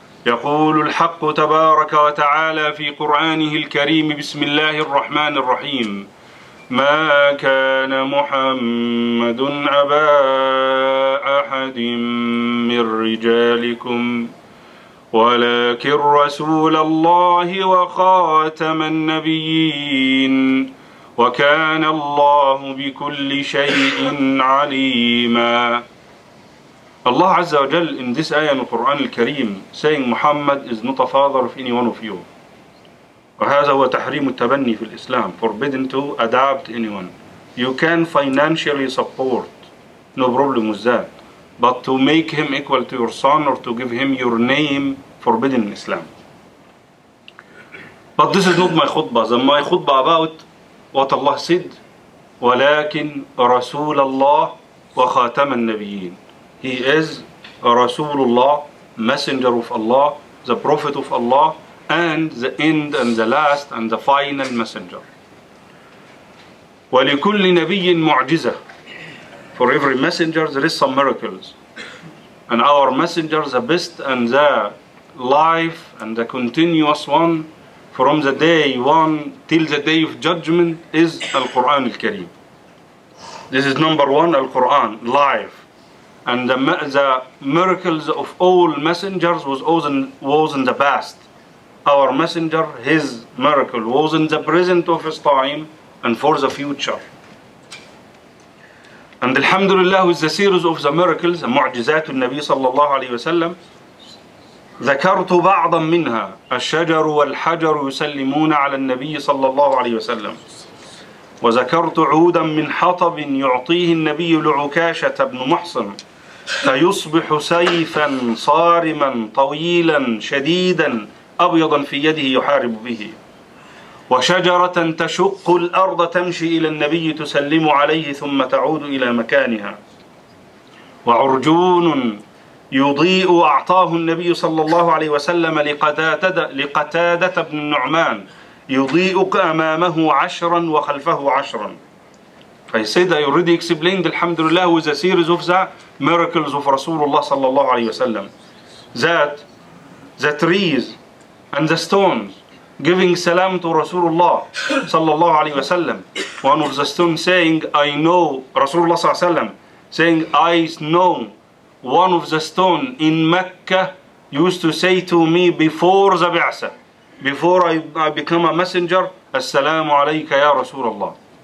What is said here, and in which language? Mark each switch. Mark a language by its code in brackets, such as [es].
[ar] يقول الحق تبارك وتعالى في قرآنه الكريم بسم الله الرحمن الرحيم: ما كان محمد أبا أحد من رجالكم ولكن رسول الله وخاتم النبيين وكان الله بكل شيء عليما. الله عز وجل [en] in this ayah in the Quran الكريم saying Muhammad is not a father of any one of you. [ar] وهذا هو تحريم التبني في الإسلام. [en] Forbidden to adopt anyone. You can financially support. No problem with that. But to make him equal to your son or to give him your name, forbidden in Islam. But this is not my khutbah. So my khutbah about what Allah said. [ar] ولكن رسول الله وخاتم النبيين. [en] He is Rasulullah, Messenger of Allah, the Prophet of Allah, and the end and the last and the final messenger. [ar] ولكل نبي معجزة. [en] For every messenger there is some miracles. And our messenger, the best and the life and the continuous one from the day one till the day of judgment is Al-Quran Al-Kareem. This is number one, Al-Quran, life. And the miracles of all messengers was in the past. Our messenger, his miracle was in the present of his time and for the future. And Alhamdulillah is the series of the miracles, [ar] معجزات النبي صلى الله عليه وسلم. ذكرت بعضا منها الشجر والحجر يسلمون على النبي صلى الله عليه وسلم. وذكرت عودا من حطب يعطيه النبي لعكاشة بن محصن. فيصبح سيفا صارما طويلا شديدا أبيضا في يده يحارب به. وشجرة تشق الأرض تمشي إلى النبي تسلم عليه ثم تعود إلى مكانها. وعرجون يضيء أعطاه النبي صلى الله عليه وسلم لقتادة بن النعمان يضيء أمامه عشرا وخلفه عشرا. [en] He said, I already explained, Alhamdulillah, with a series of the miracles of Rasulullah sallallahu alayhi wa sallam. That the trees and the stones giving salam to Rasulullah sallallahu alayhi wa sallam. One of the stones saying, I know, Rasulullah sallallahu alayhi wa sallam, saying, I know one of the stones in Mecca used to say to me before the Ba'sa, before I become a messenger, As-salamu alayka ya Rasulullah.